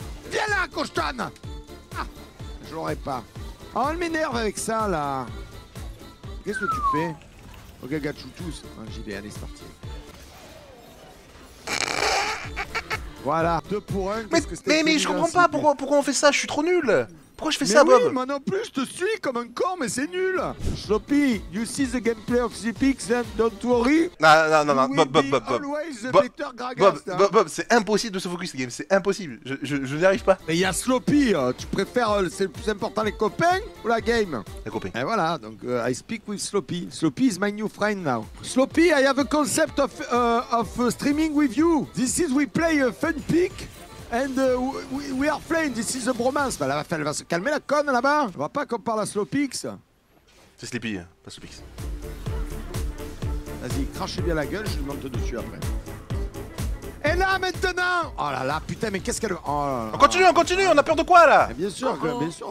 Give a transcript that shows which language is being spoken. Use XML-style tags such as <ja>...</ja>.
<fr>Viens là, Costan! Ah, je l'aurai pas. Oh, elle m'énerve avec ça, là! Qu'est-ce que tu fais? Ok, gâchou tous. J'y vais, allez, c'est parti. Voilà, 2 pour 1. Mais je comprends pas pourquoi on fait ça, je suis trop nul! Pourquoi je fais mais ça, oui, Bob? Moi non plus, je te suis comme un con, mais c'est nul!</fr> <en>Sloppy, you see the gameplay of the pigs, don't worry!</en> <fr>Non, Bob.</fr> <en>Always the better Gragas,</en> <fr>Bob, c'est impossible de se focus ce game, c'est impossible, je n'y arrive pas! Mais y'a Sloppy, tu préfères, c'est le plus important, les copains ou la game? Les copains. Et voilà, donc</fr> <en>I speak with Sloppy. Sloppy is my new friend now. Sloppy, I have a concept of streaming with you. This is we play a fun pig. And we are playing, this is a bromance.</en> <fr>Bah, elle va se calmer la conne là-bas. On va pas qu'on parle à Sloppix. C'est Sleepy, pas Sloppix. Vas-y, crache bien la gueule, je lui monte dessus après. Et là maintenant! Oh là là, putain, mais qu'est-ce qu'elle veut? Oh là là. On continue, on a peur de quoi là? Bien sûr, oh. Bien sûr.</fr>